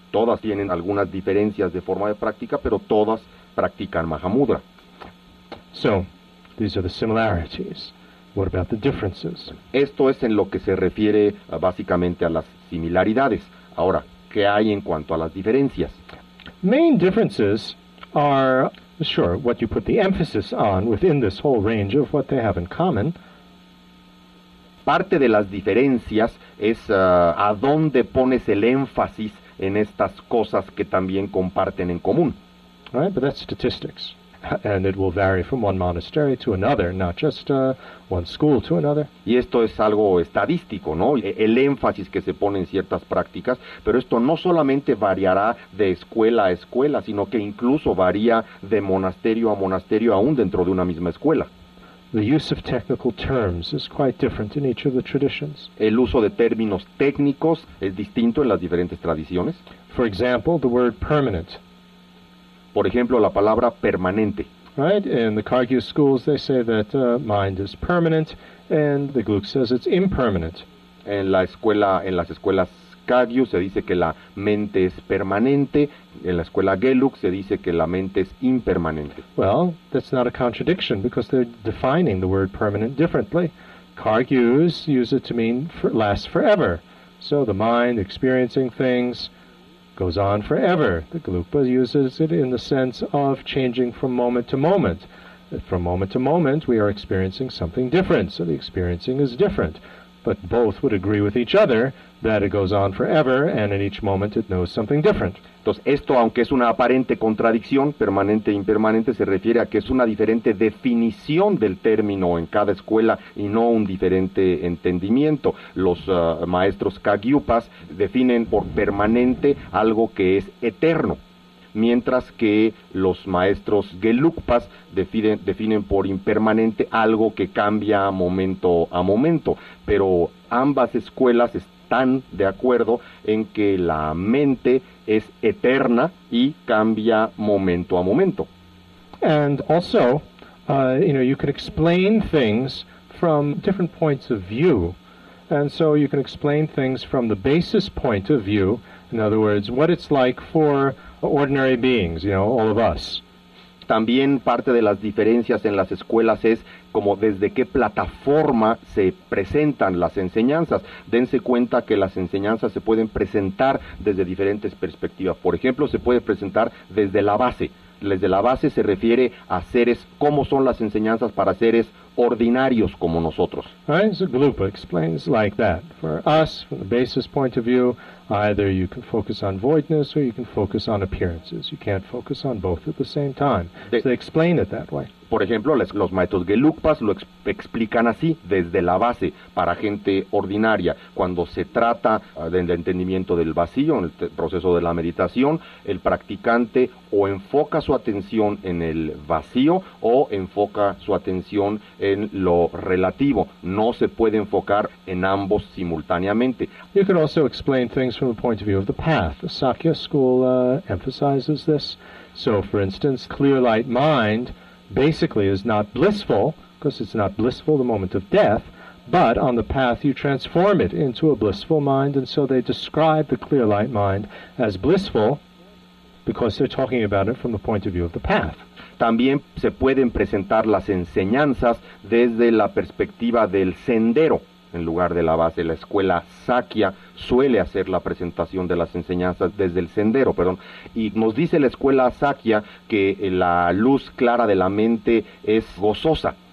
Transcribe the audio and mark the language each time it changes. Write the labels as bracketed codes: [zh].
[es] Todas tienen algunas diferencias de forma de práctica, pero todas practican Mahamudra. [en] So, these are the similarities. What about the differences? [es] Esto es en lo que se refiere básicamente a las similaridades. Ahora, ¿qué hay en cuanto a las diferencias? [en] Main differences are, sure, what you put the emphasis on within this whole range of what they have in common. [es] Parte de las diferencias es a dónde pones el énfasis en estas cosas que también comparten en común. [en] All right, but that's statistics. And it will vary from one monastery to another, not just one school to another. [es] Y esto es algo estadístico, ¿no? El énfasis que se pone en ciertas prácticas, pero esto no solamente variará de escuela a escuela, sino que incluso varía de monasterio a monasterio, aún dentro de una misma escuela. [en] The use of technical terms is quite different in each of the traditions. [es] El uso de términos técnicos es distinto en las diferentes tradiciones. [en] For example, the word permanent. [es] Por ejemplo, la palabra permanente. [en] Right, in the Kagyu schools they say that mind is permanent, and the Geluk says it's impermanent. [es] En las escuelas Kagyu se dice que la mente es permanente, en la escuela Geluk se dice que la mente es impermanente. [en] Well, that's not a contradiction, because they're defining the word permanent differently. Kagyus use it to mean last forever. So the mind experiencing things goes on forever. The Gelugpa uses it in the sense of changing from moment to moment. From moment to moment, we are experiencing something different, so the experiencing is different. But both would agree with each other that it goes on forever, and in each moment it knows something different. [es] Entonces, esto, aunque es una aparente contradicción, permanente e impermanente, se refiere a que es una diferente definición del término en cada escuela y no un diferente entendimiento. Los maestros Kagyupas definen por permanente algo que es eterno, mientras que los maestros Gelugpas definen por impermanente algo que cambia momento a momento. Pero ambas escuelas están de acuerdo en que la mente es eterna y cambia momento a momento. [en] And also, you know, you can explain things from different points of view. And so you can explain things from the basis point of view, in other words, what it's like for ordinary beings, you know, all of us. [es] También parte de las diferencias en las escuelas es como desde qué plataforma se presentan las enseñanzas. Dense cuenta que las enseñanzas se pueden presentar desde diferentes perspectivas. Por ejemplo, se puede presentar desde la base. Desde la base se refiere a seres, cómo son las enseñanzas para seres ordinarios como nosotros. [en] Right, so Gelugpa explains like that. For us, from the basis point of view, either you can focus on voidness or you can focus on appearances. You can't focus on both at the same time. So they explain it that way. [es] Por ejemplo, los maestros Gelugpas lo explican así, desde la base, para gente ordinaria. Cuando se trata del entendimiento del vacío, en el proceso de la meditación, el practicante o enfoca su atención en el vacío o enfoca su atención en lo relativo. No se puede enfocar en ambos simultáneamente. [en] You could also explain things from the point of view of the path. The Sakya school emphasizes this. So, for instance, clear light mind basically is not blissful, because it's not blissful the moment of death, But on the path, you transform it into a blissful mind, and so they describe the clear light mind as blissful because they're talking about it from the point of view of the path. [es] También se pueden presentar las enseñanzas desde la perspectiva del sendero. En lugar de la base, la escuela Sakya suele hacer la presentación de las enseñanzas desde el sendero, perdón. Y nos dice la escuela Sakya que la luz clara de la mente es gozosa.